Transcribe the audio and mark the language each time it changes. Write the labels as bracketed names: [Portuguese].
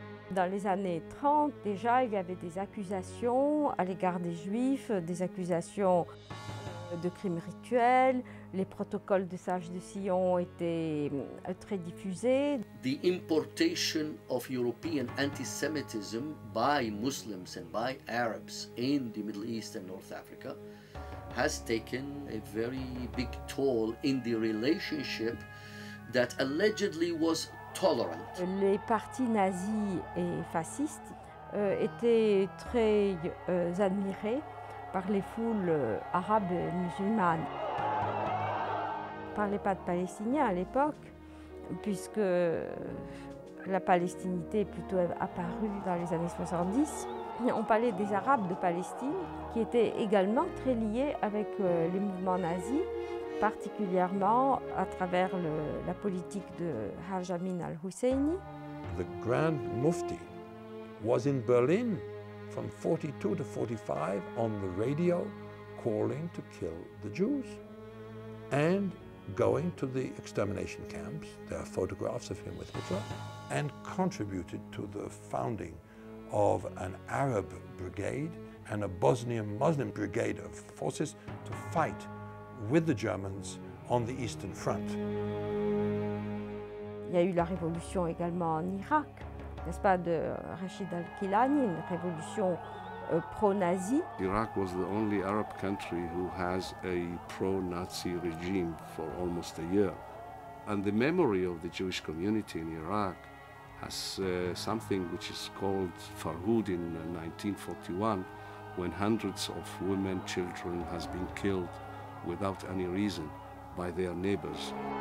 [French] Dans les années 30, déjà, il y avait des accusations à l'égard des Juifs, des accusations de crimes rituels. Les protocoles de sages de Sion étaient très diffusés. [English] The importation of European antisemitism by Muslims and by Arabs in the Middle East and North Africa has taken a very big toll in the relationship that allegedly was tolerant. [French] Les partis nazis et fascistes étaient très admirés par les foules arabes et musulmanes. On ne parlait pas de palestiniens à l'époque, puisque la palestinité est plutôt apparue dans les années 70. On parlait des arabes de Palestine, qui étaient également très liés avec les mouvements nazis, particulièrement à travers la politique de Haj Amin al-Husseini. [English] The Grand Mufti was in Berlin from 42 to 45 on the radio calling to kill the Jews and going to the extermination camps. There are photographs of him with Hitler and contributed to the founding of an Arab brigade and a Bosnian Muslim brigade of forces to fight with the Germans on the Eastern Front. [French] Il y a eu la révolution également en Irak, n'est-ce pas, de Rachid al-Khilani, une révolution pro-nazi. [English] Iraq was the only Arab country who has a pro-Nazi regime for almost a year. And the memory of the Jewish community in Iraq has something which is called Farhud in 1941, when hundreds of women, children has been killed without any reason by their neighbors.